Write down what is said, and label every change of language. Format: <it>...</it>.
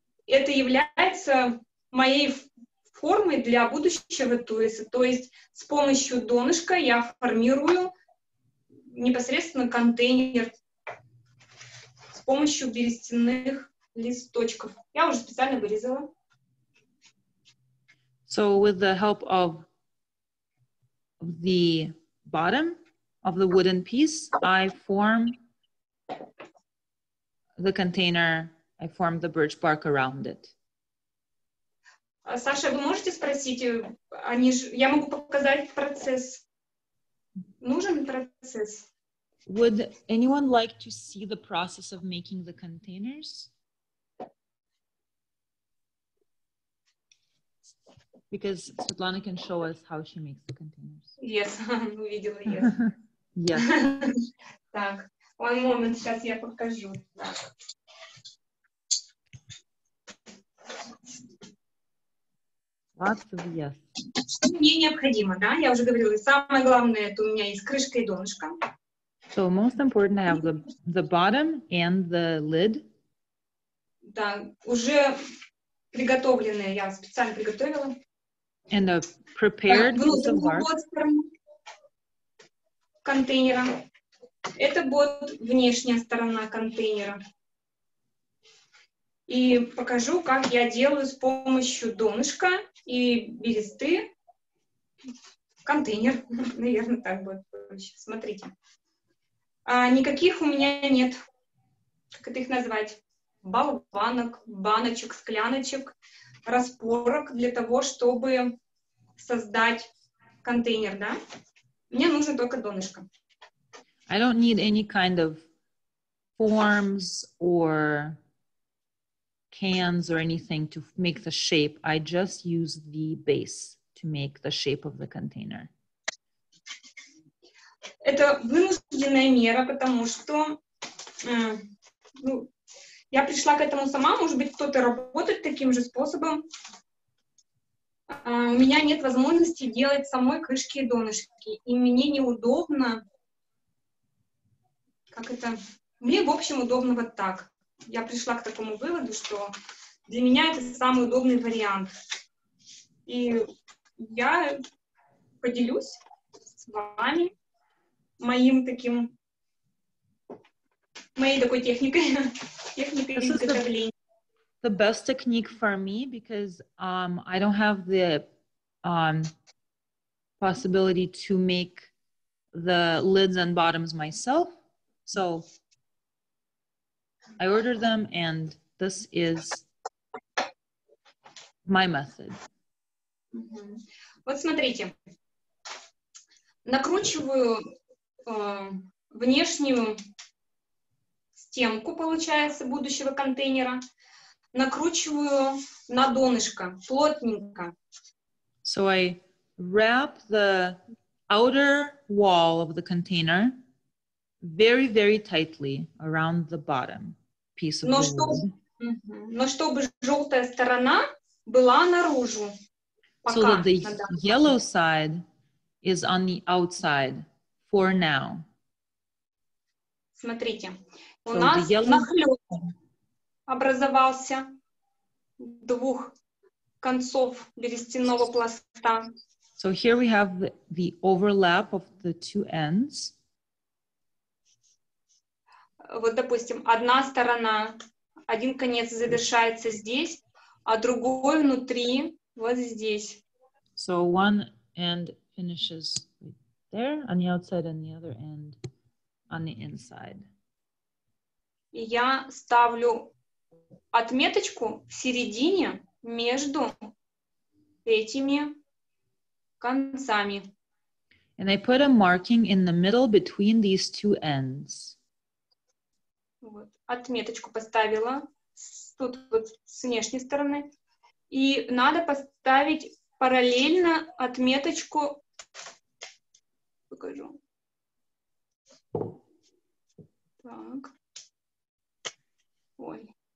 <ru>Это является моей формой для будущего туиса. То есть с помощью донышка я формирую непосредственно контейнер с помощью берестяных листочков. Я уже специально вырезала.</ru> <en>So with the help of the bottom of the wooden piece, I form the container, I form the birch bark around it.</en> <ru>Саша, вы можете спросить, они же, я могу показать процесс. Нужен процесс?</ru> <en>Would anyone like to see the process of making the containers? Because Светлана can show us how she makes the containers. Yes,</en> <ru>увидела,</ru> <en>yes. Yes.</en> <ru>Так,</ru> <en>one moment,</en> <ru>сейчас я покажу.</ru> <en>Lots of yes.</en> <ru>Мне необходимо, да? Я уже говорила, самое главное, это у меня есть крышка и донышко.</ru> <en>So most important, I have the bottom and the lid.</en> <ru>Да, уже приготовленное, я специально приготовила.</ru> <en>And a prepared piece of bark.</en> <ru>Контейнера. Это вот внешняя сторона контейнера. И покажу, как я делаю с помощью донышка и бересты контейнер. Наверное, так будет проще. Смотрите. А никаких у меня нет. Как это их назвать? Болванок, баночек, скляночек, распорок для того, чтобы создать контейнер, да? Мне нужно только донышко.</ru> <en>I don't need any kind of forms or cans or anything to make the shape. I just use the base to make the shape of the container.</en> <ru>Это вынужденная мера, потому что я пришла к этому сама. Может быть, кто-то работает таким же способом. У меня нет возможности делать самой крышки и донышки. И мне неудобно. Как это? Мне, в общем, удобно вот так. Я пришла к такому выводу, что для меня это самый удобный вариант. И я поделюсь с вами моим таким, моей такой техникой, техникой изготовления.</ru> <en>The best technique for me because I don't have the possibility to make the lids and bottoms myself. So I order them and this is my method.</en> <ru>Mm-hmm. Вот смотрите. Накручиваю внешнюю стенку, получается, будущего контейнера. Накручиваю на донышко, плотненько.</ru> <en>So I wrap the outer wall of the container very, very tightly around the bottom piece of the wood.</en> <ru>Но чтобы желтая сторона была наружу. Пока.</ru> <en>So that the yellow side is on the outside for now.</en> <ru>Смотрите, у нас нахлёст образовался двух концов берестяного пласта.</ru> <en>So here we have the overlap of the two ends.</en> <ru>Вот, допустим, одна сторона, один конец завершается здесь, а другой внутри вот здесь.</ru> <en>So one end finishes there on the outside and the other end on the inside.</en> <ru>И я ставлю отметочку в середине между этими концами.</ru> <en>And I put a marking in the middle between these two ends.</en> <ru>Вот. Отметочку поставила тут вот с внешней стороны. И надо поставить параллельно отметочку. Покажу. Так. Ой.</ru>